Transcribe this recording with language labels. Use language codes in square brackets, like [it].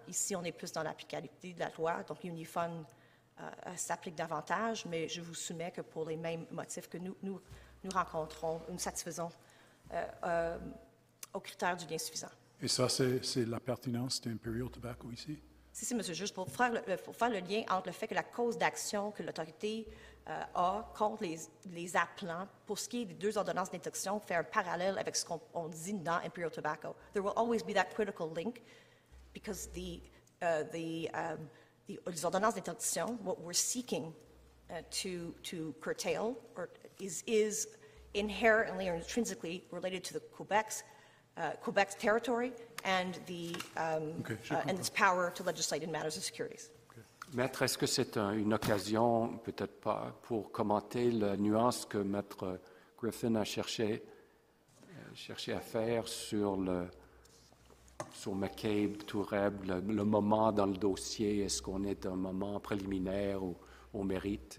[fr] Ici, on est plus dans l'applicabilité de la loi, donc l'unifone s'applique davantage, mais je vous soumets que pour les mêmes motifs que nous rencontrons, nous satisfaisons au critère du lien suffisant. Et ça, c'est la pertinence d'Imperial Tobacco ici? Si, M. le juge, pour faire le lien entre le fait que la cause d'action que l'autorité a contre les appelants, pour ce qui est des deux ordonnances d'interdiction, fait un parallèle avec ce qu'on dit dans Imperial Tobacco. [en] There will always be that critical link because the [fr] ordonnances d'interdiction, [en] what we're seeking to curtail, is inherently or intrinsically related to the Quebec's territory. And the and its power to legislate in matters of securities. Okay. [fr] Maître, est-ce que c'est une occasion, peut-être pas, pour commenter la nuance que Maître Griffin a cherché à faire sur McCabe, Toureb, le moment dans le dossier? Est-ce qu'on est un moment préliminaire ou au mérite?